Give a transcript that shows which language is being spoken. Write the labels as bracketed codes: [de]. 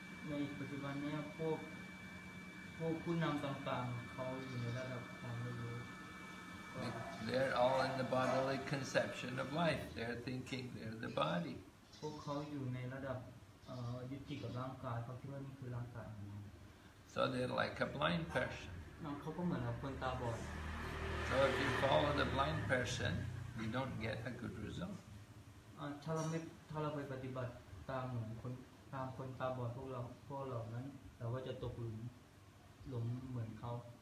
[th] ในปัจจุบันนี้พวกผู้นำต่างๆเขาอยู่ในระดับความรู้ [en] They're all in the bodily conception of life. They're thinking they're the body. [th] พวกเขาอยู่ในระดับยึดติดกับร่างกายเขาคิดว่านี่คือร่างกาย [en] So they're like a blind person. [th] เขาก็เหมือนคนตาบอด [en] So if you follow the blind person, you don't get a good result. [th] ถ้าเราไปปฏิบัติตามเหมือนคนตามคนตาบอดพวกเรานั้นเราก็จะตกหลุมเหมือนเขา